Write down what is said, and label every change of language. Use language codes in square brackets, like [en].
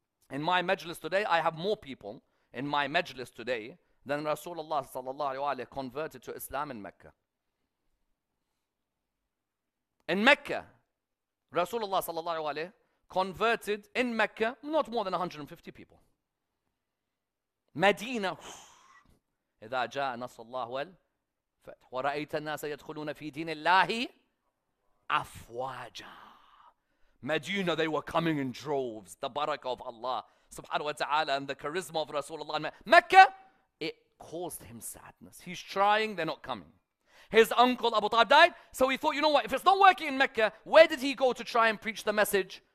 [en] In my majlis today, I have more people in my majlis today than Rasulullah sallallahu alayhi wa alayhi converted to Islam in Mecca. In Mecca, Rasulullah sallallahu alayhi wa alayhi converted in Mecca, not more than 150 people. [ar] Medina, إذا جاء نص الله والفتح ورأيت الناس يدخلون في دين الله Afwaja. [en] Medina, they were coming in droves. The barakah of Allah subhanahu wa ta'ala and the charisma of Rasulullah. Mecca, it caused him sadness. He's trying, they're not coming. His uncle Abu Talib died, so he thought, you know what, if it's not working in Mecca, where did he go to try and preach the message?